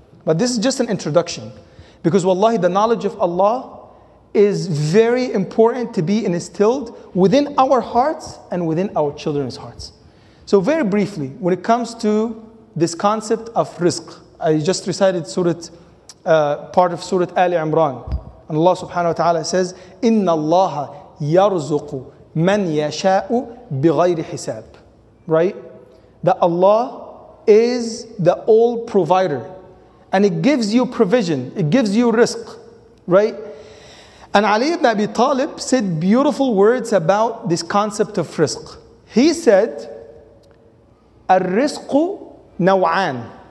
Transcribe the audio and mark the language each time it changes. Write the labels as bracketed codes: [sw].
[en] But this is just an introduction. Because wallahi, the knowledge of Allah is very important to be instilled within our hearts and within our children's hearts. So very briefly, when it comes to this concept of rizq, I just recited part of Surah Ali Imran. And Allah subhanahu wa ta'ala says, [ar] إِنَّ اللَّهَ يَرْزُقُ مَنْ يَشَاءُ بِغَيْرِ حِسَابٍ. [en] Right? That Allah is the all provider. And it gives you provision. It gives you rizq. Right? And Ali ibn Abi Talib said beautiful words about this concept of rizq. He said, [ar] الرِّزْقُ نَوْعَانِ.